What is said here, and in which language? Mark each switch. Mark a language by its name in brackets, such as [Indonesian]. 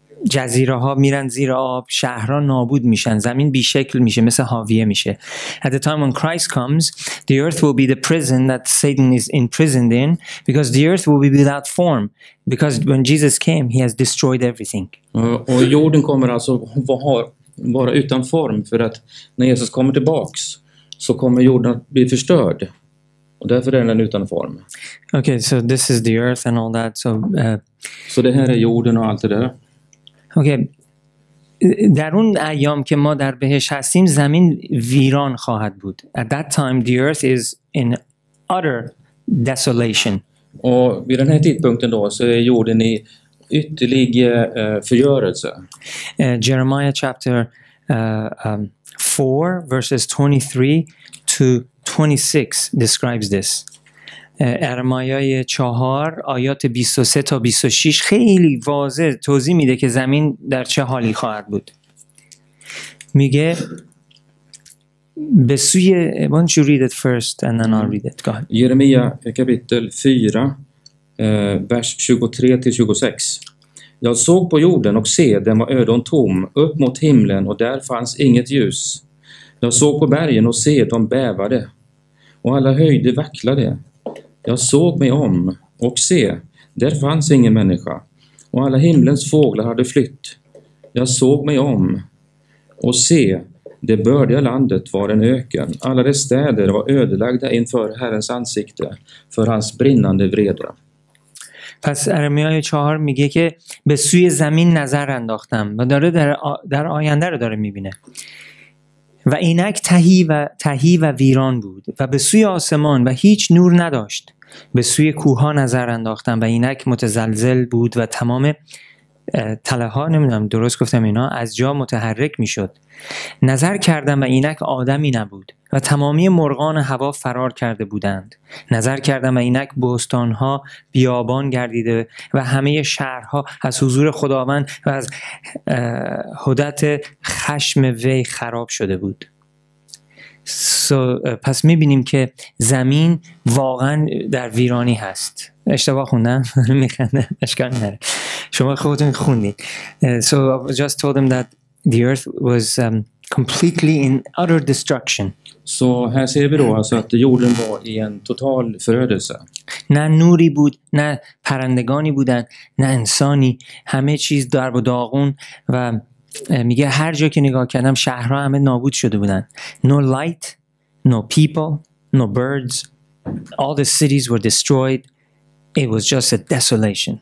[Persian] جزیره ها میرن زیر آب شهرها نابود میشن زمین بی شکل میشه مثل حاویه میشه [English] At the time when Christ comes the earth will be the prison that Satan is imprisoned in because the earth will be without form because when Jesus came he has destroyed everything [Swedish] Och jorden kommer alltså vara utan form för att när Jesus kommer tillbaks så kommer jorden att bli förstörd och därför är den utan form [English] Okay so this is the earth and all that so [Swedish] så det här är jorden och allt det där Okay. [Persian] در اون ایام که ما در بهش هستیم زمین ویران خواهد بود. [English] At that time the earth is in utter desolation. [Swedish] Och vid den här tidpunkten då så är jorden i ytterlig förgörelse. [English] Jeremiah chapter 4 verses 23 to 26 describes this. [Persian] ارمیای 4 آیات 23 تا 26 خیلی واضح توضیح میده که زمین در چه حالی خواهد بود میگه به سوی [English] want you read it first and then I'll read it go ahead [Swedish] Jeremia kapitel 4 vers 23 till 26 Jag såg på jorden och se den var öde och tom upp mot himlen och där fanns inget ljus Jag såg på bergen och se de bävade och alla höjder vacklade Jag såg mig om och se, där fanns ingen människa och alla himlens fåglar hade flytt. Jag såg mig om och se, det bördiga landet var en öken. Alla dess städer var ödelagda inför Herrens ansikte för hans brinnande vrede. [Persian] پس ارمیای 4 میگه که به سوی زمین نظر انداختم و داره در آینده رو داره میبینه. و اینک تهی و ویران بود و به سوی آسمان و هیچ نور نداشت به سوی کوها نظر انداختم و اینک متزلزل بود و تمام تله ها نمیدونم درست گفتم اینا از جا متحرک میشد نظر کردم و اینک آدمی نبود و تمامی مرغان هوا فرار کرده بودند نظر کردم و اینک بستان ها بیابان گردیده و همه شهرها از حضور خداوند و از حدت خشم وی خراب شده بود پس میبینیم که زمین واقعا در ویرانی هست اشتباه خوندم میخندم اشکال نداره شما خودتون خوندید [English] so I just told them that the earth was completely in utter destruction [Swedish] så här ser vi då alltså att jorden var i en total förödelse [Persian] نه نوری بود نه پرندگانی بودند نه انسانی همه چیز درب و داغون و میگه هر جا که نگاه کردم شهرها همه نابود شده بودند [English] no light no people no birds all the cities were destroyed It was just a desolation.